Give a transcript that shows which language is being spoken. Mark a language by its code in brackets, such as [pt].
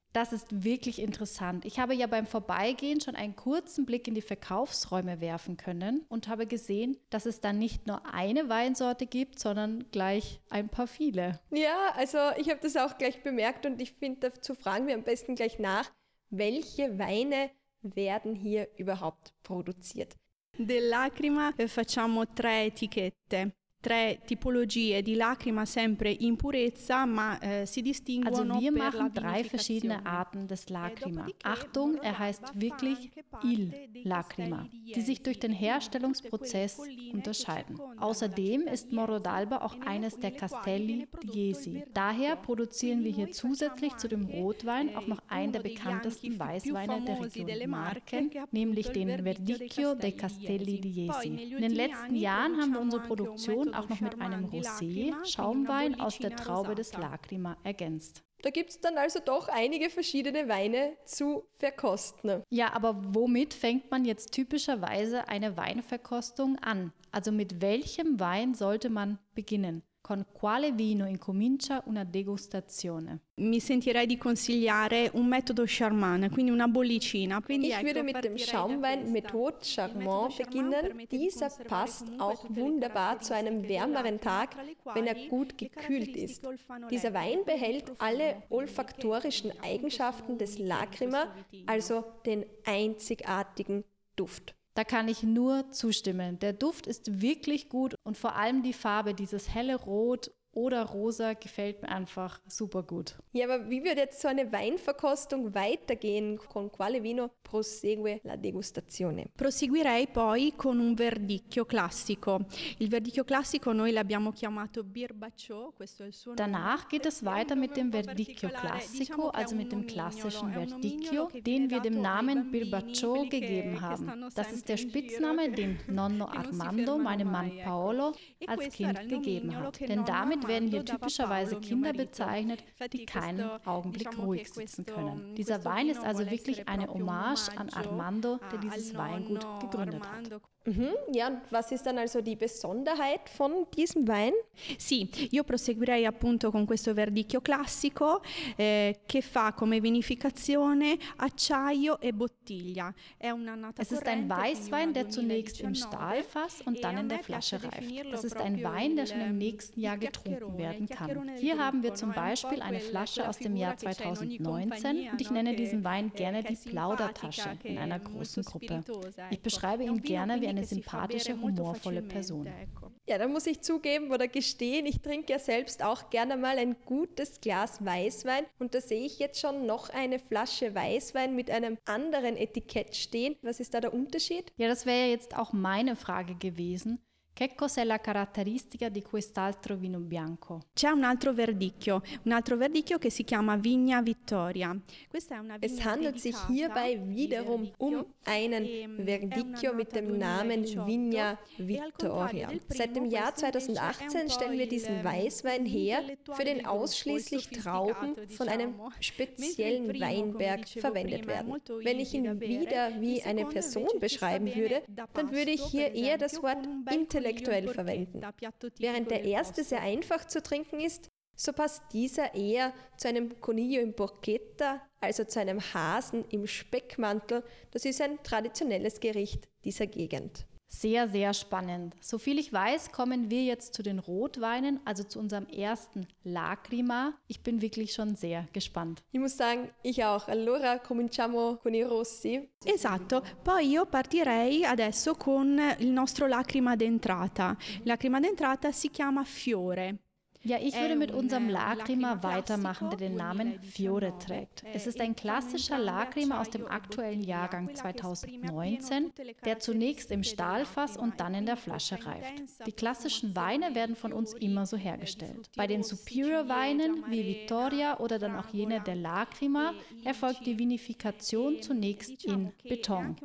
[de] Das ist wirklich interessant. Ich habe ja beim Vorbeigehen schon einen kurzen Blick in die Verkaufsräume werfen können und habe gesehen, dass es da nicht nur eine Weinsorte gibt, sondern gleich ein paar viele. Ja, also ich habe das auch gleich bemerkt und ich finde, dazu fragen wir am besten gleich nach, welche Weine werden hier überhaupt produziert? [it] Del Lacrima facciamo 3 Etikette. 3 Tipologie di Lacrima sempre in purezza, ma si distinguono per la vinificazione. [de] Also wir machen 3 verschiedene Arten des Lacrima. Achtung, er heißt wirklich Il Lacrima, die sich durch den Herstellungsprozess unterscheiden. Außerdem ist Morro d'Alba auch eines der Castelli di Jesi. Daher produzieren wir hier zusätzlich zu dem Rotwein auch noch einen der bekanntesten Weißweine der Region Marken, nämlich den Verdicchio dei Castelli di Jesi. In den letzten Jahren haben wir unsere Produktion auch noch mit einem Rosé-Schaumwein aus der Traube des Lacrima ergänzt. Da gibt es dann also doch einige verschiedene Weine zu verkosten. Ja, aber womit fängt man jetzt typischerweise eine Weinverkostung an? Also mit welchem Wein sollte man beginnen? [it] Con quale vino incomincia una degustazione? Mi sentirei di consigliare un metodo charmant, quindi una bollicina. Quindi [de] ich würde mit dem Schaumwein Methode Charmant beginnen. Dieser passt auch wunderbar zu einem wärmeren Tag, wenn er gut gekühlt ist. Dieser Wein behält alle olfaktorischen Eigenschaften des Lacrima, also den einzigartigen Duft. Da kann ich nur zustimmen. Der Duft ist wirklich gut und vor allem die Farbe, dieses helle Rot oder Rosa, gefällt mir einfach super gut. Ja, aber wie wird jetzt so eine Weinverkostung weitergehen? [it] Con quale vino prosegue la degustazione? Proseguirei poi con un verdicchio classico. Il verdicchio classico noi l'abbiamo chiamato birbaccio, questo è il suo nome. [de] Danach geht es weiter mit dem verdicchio classico, also mit dem klassischen verdicchio, den wir dem Namen birbaccio gegeben haben. Das ist der Spitzname, den Nonno Armando, meinem Mann Paolo, als Kind gegeben hat. Denn damit werden hier typischerweise Kinder bezeichnet, die keinen Augenblick ruhig sitzen können. Dieser Wein ist also wirklich eine Hommage an Armando, der dieses Weingut gegründet hat. Mhm. Ja, und was ist dann also die Besonderheit von diesem Wein? [it] Sì, io proseguirei appunto con questo verdicchio classico che fa come vinificazione acciaio e bottiglia. È un'annata. [de] Es ist ein Weißwein, der zunächst im Stahlfass und dann in der Flasche reift. Das ist ein Wein, der schon im nächsten Jahr getrunken werden kann. Hier haben wir zum Beispiel eine Flasche aus dem Jahr 2019 und ich nenne diesen Wein gerne die Plaudertasche in einer großen Gruppe. Ich beschreibe ihn gerne wie eine sympathische, humorvolle Person. Ja, da muss ich zugeben oder gestehen, ich trinke ja selbst auch gerne mal ein gutes Glas Weißwein und da sehe ich jetzt schon noch eine Flasche Weißwein mit einem anderen Etikett stehen. Was ist da der Unterschied? Ja, das wäre ja jetzt auch meine Frage gewesen. [it] Che cos'è la caratteristica di quest'altro vino bianco? C'è un altro verdicchio che si chiama Vigna Vittoria. Questa è una vigna. [de] Es handelt sich hierbei wiederum um einen Verdicchio mit dem Namen Vigna Vittoria. Seit dem Jahr 2018 stellen wir diesen Weißwein her, für den ausschließlich Trauben von einem speziellen Weinberg verwendet werden. Wenn ich ihn wieder wie eine Person beschreiben würde, dann würde ich hier eher das Wort intellektuell verwenden. Während der erste sehr einfach zu trinken ist, so passt dieser eher zu einem Conillo in Porchetta, also zu einem Hasen im Speckmantel. Das ist ein traditionelles Gericht dieser Gegend. Sehr, sehr spannend. Soviel ich weiß, kommen wir jetzt zu den Rotweinen, also zu unserem ersten Lacrima. Ich bin wirklich schon sehr gespannt. Ich muss sagen, ich auch. [it] Allora, cominciamo con i rossi. Esatto. Poi io partirei adesso con il nostro Lacrima d'entrata. Lacrima d'entrata si chiama Fiore. [de] Ja, ich würde mit unserem Lacrima weitermachen, der den Namen Fiore trägt. Es ist ein klassischer Lacrima aus dem aktuellen Jahrgang 2019, der zunächst im Stahlfass und dann in der Flasche reift. Die klassischen Weine werden von uns immer so hergestellt. Bei den Superior-Weinen wie Vittoria oder dann auch jene der Lacrima erfolgt die Vinifikation zunächst in Beton.